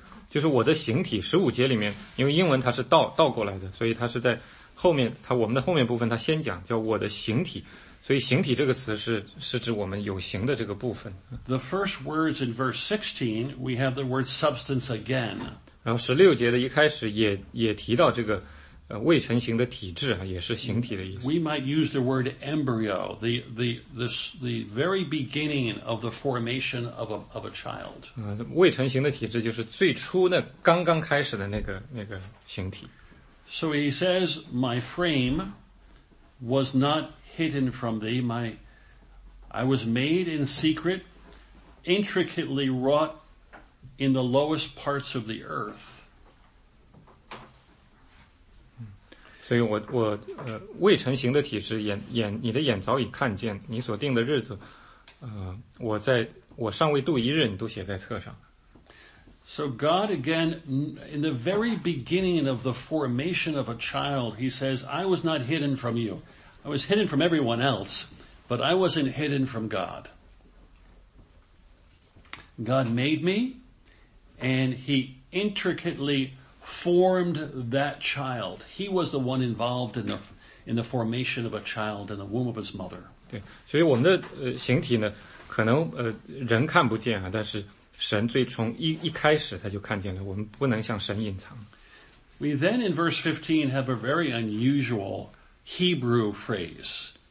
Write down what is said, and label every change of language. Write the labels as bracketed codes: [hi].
[zh] 就是我的形体，十五节里面，因为英文它是倒过来的，所以它是在后面，它我们的后面部分，它先讲叫我的形体，所以形体这个词是指我们有形的这个部分。 [en] The first words in verse 16, we have the word substance again. [zh] 然后十六节的一开始也提到这个未成型的体质，也是形体的意思。 [en] We might use the word embryo, the very beginning of the formation of a child. [zh] 未成型的体质就是最初的刚刚开始的那个形体。 [en] So he says, my frame was not hidden from thee. I was made in secret, intricately wrought in the lowest parts of the earth. [zh] 所以我未成形的体质，你的眼早已看见，你所定的日子我尚未度一日，你都写在册上。 [en] So God again, in the very beginning of the formation of a child, He says, "I was not hidden from you. I was hidden from everyone else, but I wasn't hidden from God." God made me, and He intricately formed that child. He was the one involved in the formation of a child in the womb of his mother. [zh] 对，所以我们的形体呢，可能人看不见啊，但是。神最从一开始他就看见了，我们不能向神隐藏。 [en] We then in verse 15 have a very unusual Hebrew phrase.